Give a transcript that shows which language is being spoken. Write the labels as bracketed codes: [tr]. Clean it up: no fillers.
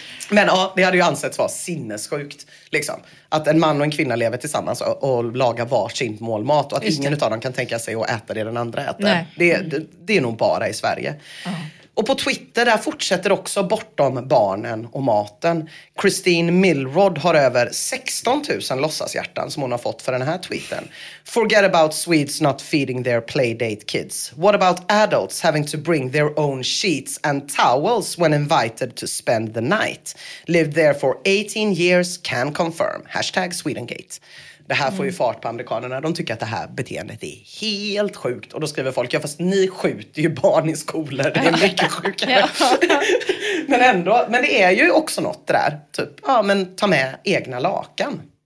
[sv] Men ja, det hade ju ansetts vara sinnessjukt. Liksom. Att en man och en kvinna lever tillsammans och lagar varsin målmat. Och att ingen av dem kan tänka sig att äta det den andra äter. Det är nog bara i Sverige. Och på Twitter där fortsätter också bortom barnen och maten. Christine Milrod har över 16 000 låtsashjärtan som hon har fått för den här tweeten. [en] Forget about Swedes not feeding their playdate kids. What about adults having to bring their own sheets and towels when invited to spend the night? Lived there for 18 years can confirm. Hashtag Swedengate. [sv] Det här får ju fart på amerikanerna. De tycker att det här beteendet är helt sjukt. Och då skriver folk, ja fast ni skjuter ju barn i skolor. Det är mycket sjukare. Men ändå, men det är ju också något där. Typ, ja men ta med egna lakan.